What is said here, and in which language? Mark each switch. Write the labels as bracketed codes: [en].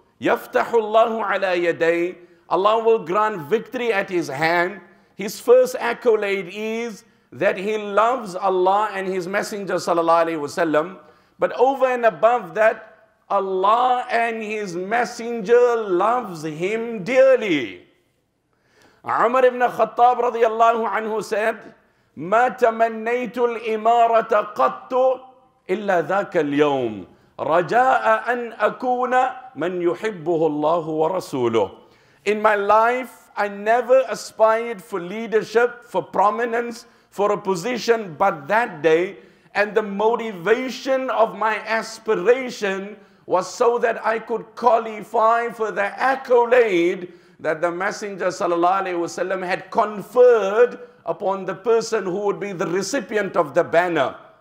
[ar] يَفْتَحُ اللَّهُ عَلَى يَدَيْ. [en] Allah will grant victory at his hand. His first accolade is that he loves Allah and his messenger sallallahu alaihi wasallam. But over and above that, Allah and his messenger loves him dearly. [ar] Umar ibn Khattab radiyallahu anhu said, ما تمنيت الإمارة قط إلا ذاك اليوم رجاء أن أكون من يحبه الله ورسوله. [en] In my life, I never aspired for leadership, for prominence, for a position, but that day, and the motivation of my aspiration was so that I could qualify for the accolade that the Messenger sallallahu alaihi wasallam had conferred upon the person who would be the recipient of the banner.